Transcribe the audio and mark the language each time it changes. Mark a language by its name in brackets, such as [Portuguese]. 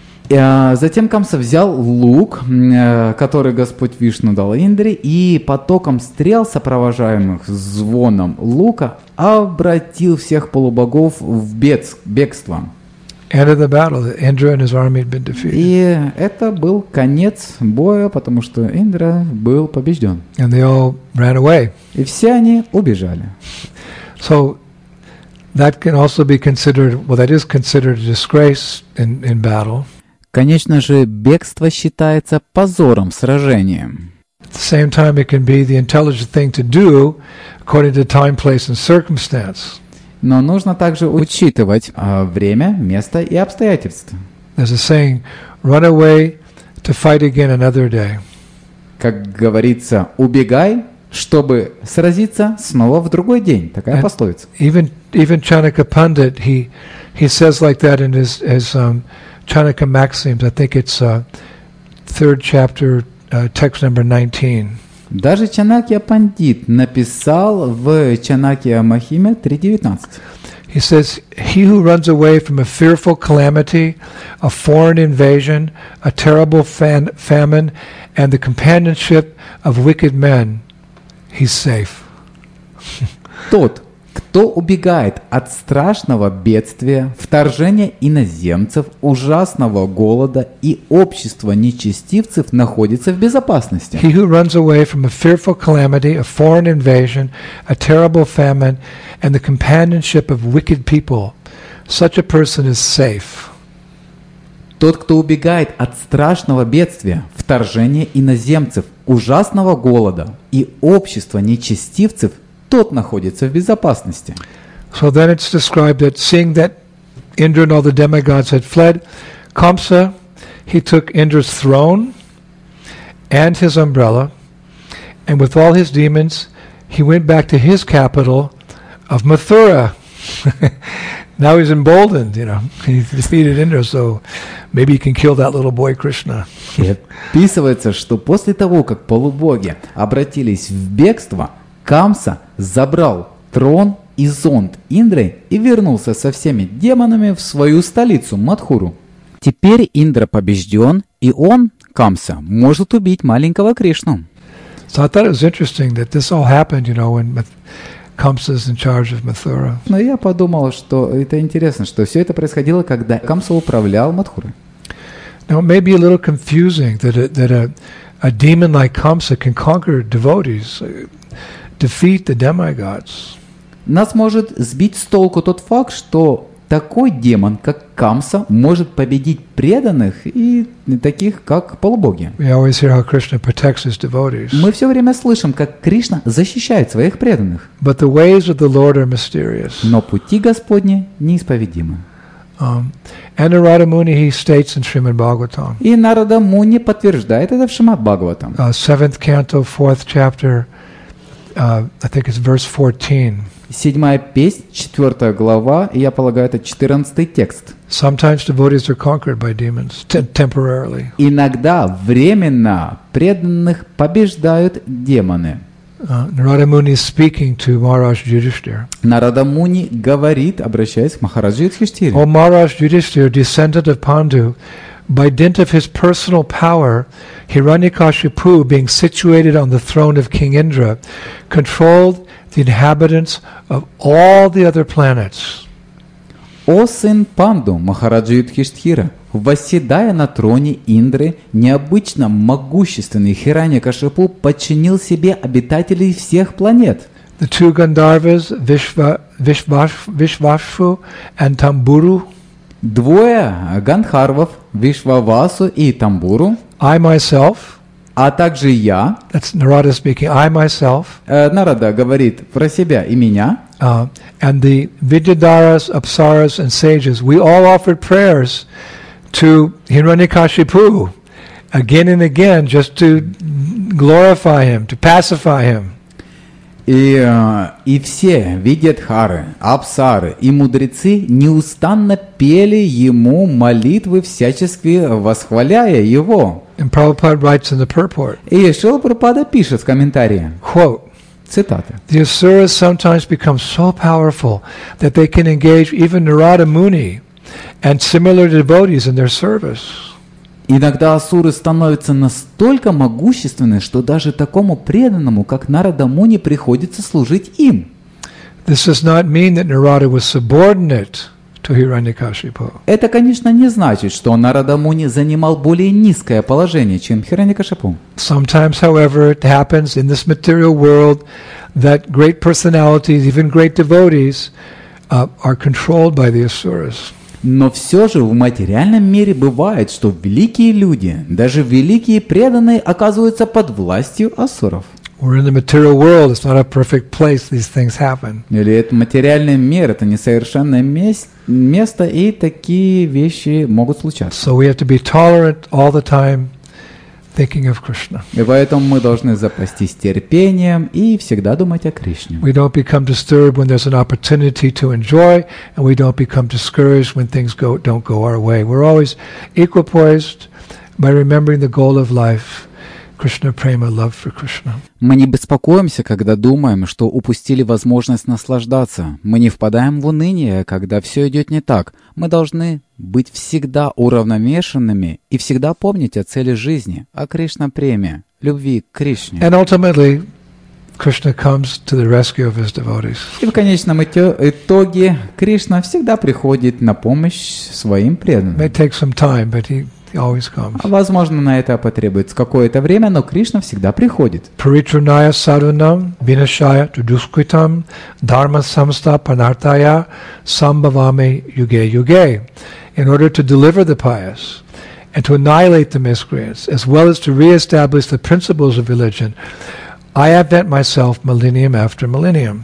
[Russian] Затем Камса взял лук, который Господь Вишну дал Индре, и потоком стрел, сопровождаемых звоном лука, обратил всех полубогов в бегство. [English] End of the battle. Indra and his army had been defeated. [Russian] И это был конец боя, потому что Индра был побежден. [English] And they all ran away. [Russian] И все они убежали. [English] So that can also be considered, well, that is considered a disgrace in battle. [Russian] Конечно же, бегство считается позором в сражении. [English] At the same time, it can be the intelligent thing to do, according to time, place, and circumstance. [Russian] Но нужно также учитывать время, место и обстоятельства. [English] There's a saying, run away to fight again another day. [Russian] Как говорится, убегай, чтобы сразиться снова в другой день. Такая [English] And [Russian] пословица. [English] Even Chanaka Pandit, he says like that in his Chanaka Maxims. I think it's third chapter, text number 19. [Russian] Даже Чанакья Пандит написал в Чанакья Махиме 3.19. [English] He says, he who runs away from a fearful calamity, a foreign invasion, a terrible famine, and the companionship of wicked men, he's safe. [Russian] Тот, кто убегает от страшного бедствия, вторжения иноземцев, ужасного голода и общества нечестивцев, находится в безопасности. [English] He who runs away from a fearful calamity, a foreign invasion, a terrible famine, and the companionship of wicked people, such a person is safe. [Russian] Тот, кто убегает от страшного бедствия, вторжения иноземцев, ужасного голода и общества нечестивцев, тот находится в безопасности. [English] So then it's described that seeing that Indra and all the demigods had fled, Kamsa, he took Indra's throne and his umbrella, and with all his demons, he went back to his capital of Mathura. Now he's emboldened, you know. He defeated Indra, so maybe he can kill that little boy Krishna. [Russian] И описывается, что после того, как полубоги обратились в бегство, Камса забрал трон и зонт Индры и вернулся со всеми демонами в свою столицу Матхуру. Теперь Индра побежден, и он, Камса, может убить маленького Кришну. [English] So I thought it was interesting that this all happened, you know, when Kamsa's in charge of Mathura. [Russian] Но я подумал, что это интересно, что все это происходило, когда Камса управлял Матхурой. [English] Now it may be a little confusing that a demon like Kamsa can conquer devotees. Defeat the demigods. [Russian] Нас может сбить с толку тот факт, что такой демон, как Камса, может победить преданных и таких, как полубоги. [English] We always hear how Krishna protects his devotees. [Russian] Мы все время слышим, как Кришна защищает своих преданных. [English] But the ways of the Lord are mysterious. [Russian] Но пути Господни неисповедимы. [English] And Narada Muni he states in Srimad Bhagavatam. [Russian] И Нарада Муни подтверждает это в Шримад Бхагаватам. [English] Seventh canto, fourth chapter. I think it's verse 14. [Russian] Седьмая песнь, четвертая глава, и я полагаю, это 14 текст. [English] Sometimes devotees are conquered by demons temporarily. [Russian] Иногда временно преданных побеждают демоны. [English] Narada Muni is speaking to Maharaj Yudhishthira. [Russian] Narada Muni говорит, обращаясь к Махараджу Юдхиштхире. [English] O Maharaj Yudhishthira, descendant of Pandu, by dint of his personal power, Hiranyakashipu, being situated on the throne of King Indra, controlled the inhabitants of all the other planets. [Russian] О сын Панду, Махараджа Юдхиштхира, восседая на троне Индры, необычно могущественный Хираньякашипу подчинил себе обитателей всех планет. [English] The two Гандарвас, Вишвашу and Тамбуру. [Russian] Двое Гандхарвов, Вишвавасу и Тамбуру. [English] I myself. [Russian] А также я. [English] That's Narada speaking. I myself. [Russian] Нарада говорит про себя и меня. [English] And the Vidyadharas, Apsaras, and sages, we all offered prayers to Hiranyakashipu again and again, just to glorify him, to pacify him. [Russian] И все Видьядхары, Апсары и мудрецы неустанно пели ему молитвы, всячески восхваляя его. [English] And Prabhupada writes in the purport. [Russian] И Шрила Прабхупада пишет в комментарии. [English] Quote. [Russian] Цитата. [English] The Asuras sometimes become so powerful that they can engage even Narada Muni and similar devotees in their service. [Russian] Иногда асуры становятся настолько могущественны, что даже такому преданному, как Нарада Муни, приходится служить им. [English] This does not mean that Narada was subordinate to Hiranyakashipu. [Russian] Это, конечно, не значит, что Нарада Муни занимал более низкое положение, чем Хиранякашипу. [English] Sometimes, however, it happens in this material world that great personalities, even great devotees, are controlled by the asuras. [Russian] Но все же в материальном мире бывает, что великие люди, даже великие преданные, оказываются под властью асуров. [English] We're in the material world. It's not a perfect place. These things happen. [Russian] Или это материальный мир, это несовершенное место, и такие вещи могут случаться. [English] So we have to be tolerant all the time, thinking of Krishna. [Russian] И поэтому мы должны запастись терпением и всегда думать о Кришне. [English] We don't become disturbed when there's an opportunity to enjoy, and we don't become discouraged when things don't go our way. We're always equipoised by remembering the goal of life. Krishna, prema, love for Krishna. [Russian] Мы не беспокоимся, когда думаем, что упустили возможность наслаждаться. Мы не впадаем в уныние, когда все идет не так. Мы должны быть всегда уравновешенными и всегда помнить о цели жизни, о Кришна-преме, любви к Кришне. [English] And ultimately, Krishna comes to the rescue of his devotees. [Russian] И в конечном итоге Кришна всегда приходит на помощь своим преданным. [English] It may take some time, but He always comes. [Russian] Возможно, на это потребуется какое-то время, но Кришна всегда приходит. [Sanskrit] Паритрунайя сарванам винашая дудускритам дхарма самста панартая самбавами юге юге. [English] In order to deliver the pious and to annihilate the miscreants, as well as to re-establish the principles of religion, I have bent myself millennium after millennium.